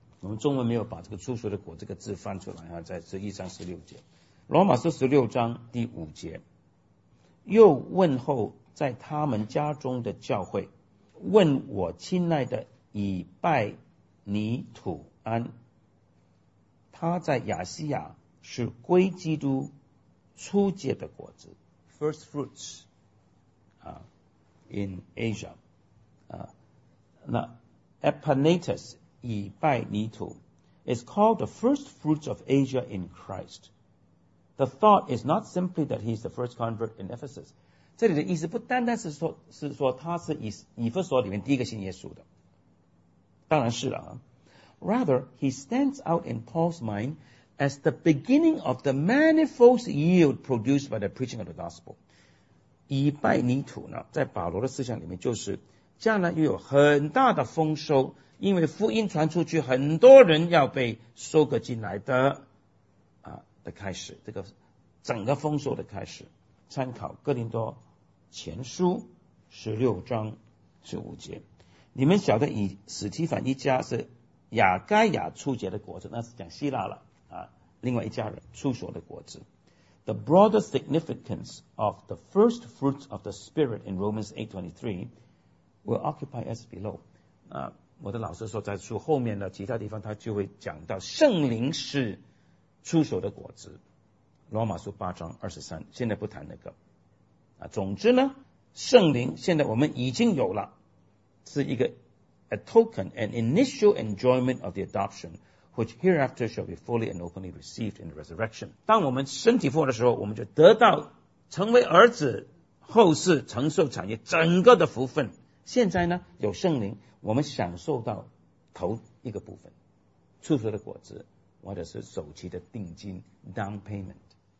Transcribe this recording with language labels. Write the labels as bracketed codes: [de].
[zh] 我们中文没有把这个初熟的果这个字翻出来啊，在十一章十六节，罗马书十六章第五节，又问候在他们家中的教会，问我亲爱的以拜尼土安，他在亚西亚是归基督初结的果子 [en] ，first fruits，啊 ，in Asia， 啊，那 Epaphras。以拜尼土 is called the first fruits of Asia in Christ. The thought is not simply that he is the first convert in Ephesus. [zh] 这里的意思不单单是说他是以弗所里面第一个信耶稣的。当然是了啊。 [en] Rather, he stands out in Paul's mind as the beginning of the manifold yield produced by the preaching of the gospel. [zh] 以拜尼土呢，在保罗的思想里面就是将来又有很大的丰收因为福音传出去很多人要被收割进来的啊的开始这个整个丰收的开始参考哥林多前书十六章十五节你们晓得以史提凡一家是亚该亚初结的果子那是讲希腊了啊另外一家人初熟的果子 [en] The broader significance of the first fruits of the spirit in Romans 8:23 will occupy us below [zh] 啊我的老师说在书后面的其他地方他就会讲到圣灵是初熟的果子罗马书八章二十三现在不谈那个啊，总之呢圣灵现在我们已经有了是一个 [en] a token an initial enjoyment of the adoption which hereafter shall be fully and openly received in the resurrection [zh] 当我们身体复活的时候我们就得到成为儿子后世承受产业整个的福分现在呢有圣灵我们享受到头一个部分初熟的果子或者是首期的定金 [en] down payment